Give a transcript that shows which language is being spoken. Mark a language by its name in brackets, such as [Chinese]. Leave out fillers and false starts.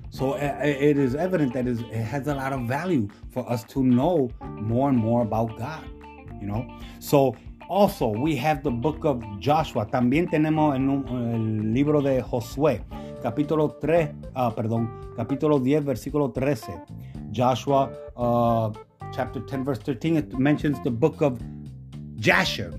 [English] So it is evident that it has a lot of value for us to know more and more about God. You know, so also we have the book of Joshua. [Spanish] También tenemos el libro de Josué, capítulo 3, capítulo 10, versículo 13. Joshua [English] chapter 10, verse 13, it mentions the book of Jasher.